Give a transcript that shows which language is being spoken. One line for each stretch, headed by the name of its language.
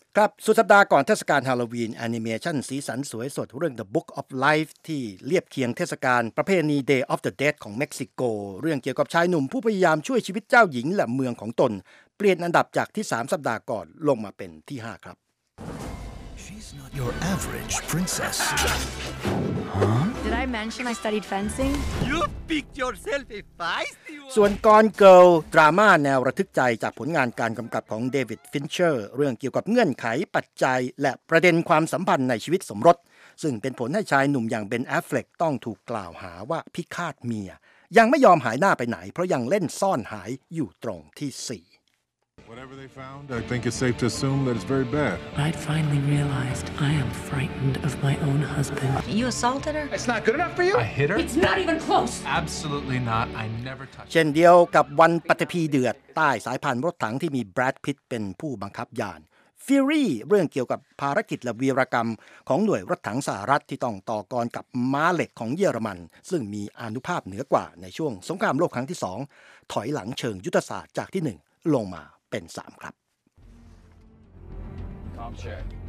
Thai: ครับสุดสัปดาห์ก่อนเทศกาลฮาโลวีนแอนิเมชันสีสันสวยสดเรื่อง The Book of Life ที่เรียบเคียงเทศกาลประเพณี Day of the Dead ของเม็กซิโกเรื่องเกี่ยวกับชายหนุ่มผู้พยายามช่วยชีวิตเจ้าหญิงและเมืองของตนเปลี่ยนอันดับจากที่3สัปดาห์ก่อนลงมาเป็นที่5ครับ
English: She's not your average princess Huh? Did I mention I studied fencing? You picked yourself a feisty one.
Thai: ส่วน Gone Girl ดราม่าแนวระทึกใจจากผลงานการกำกับของเดวิดฟินเชอร์เรื่องเกี่ยวกับเงื่อนไขปัจจัยและประเด็นความสัมพันธ์ในชีวิตสมรสซึ่งเป็นผลให้ชายหนุ่มอย่างเบนแอฟเฟล็กต้องถูกกล่าวหาว่าพิฆาตเมียยังไม่ยอมหายหน้าไปไหนเพราะยังเล่นซ่อนหายอยู่ตรงที่4
English: Whatever they found, I think it's safe to assume that it's very bad. I'd finally realized I am frightened of my own husband. You assaulted her? It's not good enough for you? I hit her? It's not even close. Absolutely not. I never touched her.
Thai: เช่นเดียวกับวันปฏิพีเดือดใต้สายพันรถถังที่มีแบรดพิตต์เป็นผู้บังคับยาน Fury เรื่องเกี่ยวกับภารกิจและวีรกรรมของหน่วยรถถังสหรัฐที่ต้องต่อกรกับม้าเหล็กของเยอรมันซึ่งมีอานุภาพเหนือกว่าในช่วงสงครามโลกครั้งที่2ถอยหลังเชิงยุทธศาสตร์จากที่1ลงมาเป็น3ครับ
English: Com check.